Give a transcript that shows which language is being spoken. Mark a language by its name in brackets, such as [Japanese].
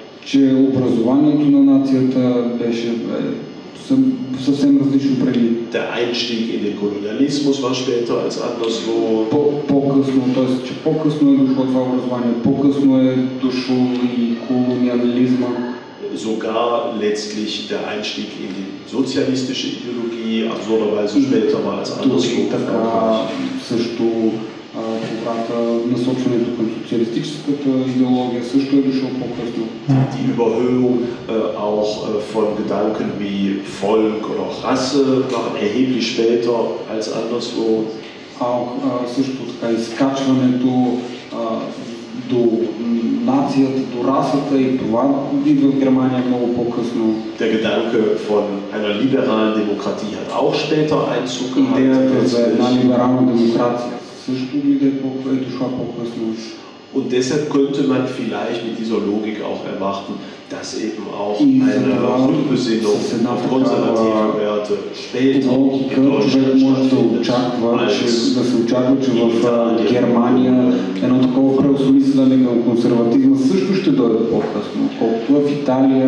[Bulgarian] Че образованието на нацията беше съвсем различно преди. [German] Der Einstieg in den Kolonialismus war später als anderswo. [Bulgarian] По-късно, т.е. че по-късно е дошло това образование, по-късно е дошло и колониализма. [German] Sogar letztlich der Einstieg in die sozialistische Ideologie, absurderweise später war als anderswo. [Bulgarian] Също когато насочването към социалистическата идеология също е дошло по-късно. [German] Die Überhöhung auch von Gedanken wie Volk oder Rasse waren erheblich später als anderswo. Auch [Bulgarian] също така изкачването до нацията, до расата и това идва в Германия много по-късно. [German] Der Gedanke von einer liberalen Demokratie hat auch später Einzug gehabt. [Bulgarian] Идеята за една либерална демокрация също дойде по-късно. [German] Und deshalb könnte man vielleicht mit dieser Logik auch erwarten, dass eben auch eine Rückbesinnung auf konservative Werte später in Deutschland stattfindet, als in Italien.